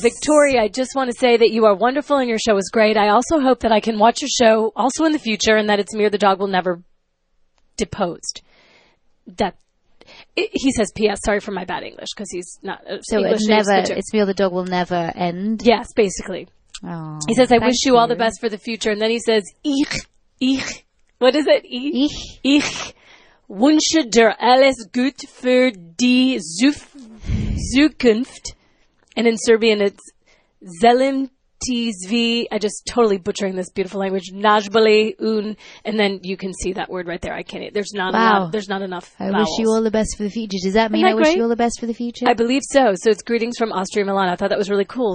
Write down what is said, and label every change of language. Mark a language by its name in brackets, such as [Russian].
[English] Victoria, I just want to say that you are wonderful and your show is great. I also hope that I can watch your show also in the future and that it's Mir the Dog will never deposed. That he says, P.S. Sorry for my bad English because he's not so English. It's Mir the Dog will never end. Yes, basically. Oh, he says, I wish you all the best for the future. And then he says, [German] Ich, ich, [English] what is it? [German] Ich, ich, wünsche dir alles gut für die Zukunft. [English] And in Serbian, it's Zelim TZV. I just totally butchering this beautiful language. Najbali un, and then you can see that word right there. I can't. There's not enough. There's not enough. I vowels. Wish you all the best for the future. Does that mean that I great? Wish you all the best for the future? I believe so. So it's greetings from Austria, Milan. I thought that was really cool.